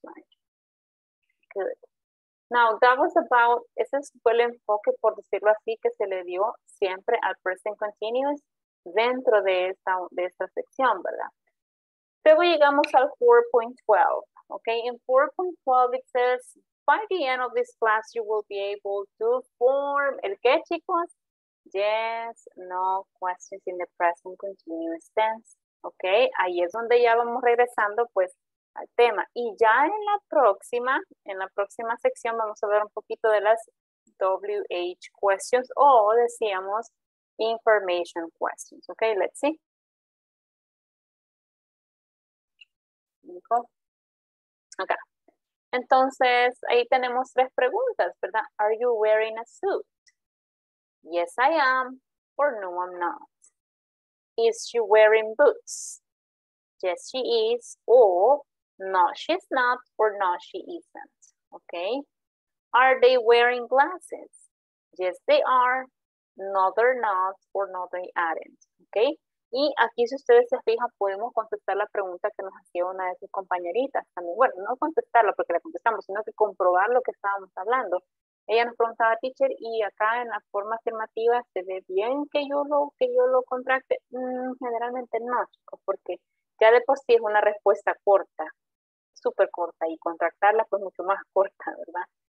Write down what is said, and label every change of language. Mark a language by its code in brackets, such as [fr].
[en] Right. Good. Now, that was about, [es] ese fue el enfoque, por decirlo así, que se le dio siempre al present continuous dentro de esta sección, ¿verdad? Luego llegamos al 4.12, okay? [en] In 4.12, it says, by the end of this class, you will be able to form, [es] ¿el qué, chicos? [en] Yes, no questions in the present continuous tense, okay? [es] Ahí es donde ya vamos regresando, pues, al tema. Y ya en la próxima sección vamos a ver un poquito de las WH questions o decíamos information questions. [en] Ok, let's see. [es] Ok. Entonces, ahí tenemos tres preguntas, ¿verdad? [en] Are you wearing a suit? Yes, I am. Or no, I'm not. Is she wearing boots? Yes, she is. Or no, she's not, or no, she isn't, okay? Are they wearing glasses? Yes, they are. No, they're not, or no, they aren't, okay? [es] Y aquí, si ustedes se fijan, podemos contestar la pregunta que nos hacía una de sus compañeritas también. Bueno, no contestarla porque la contestamos, sino que comprobar lo que estábamos hablando. Ella nos preguntaba, teacher, y acá en la forma afirmativa, ¿se ve bien que yo lo contracte? Generalmente no, chicos, porque ya de por sí es una respuesta corta, súper corta, y contractarla pues mucho más corta, ¿verdad?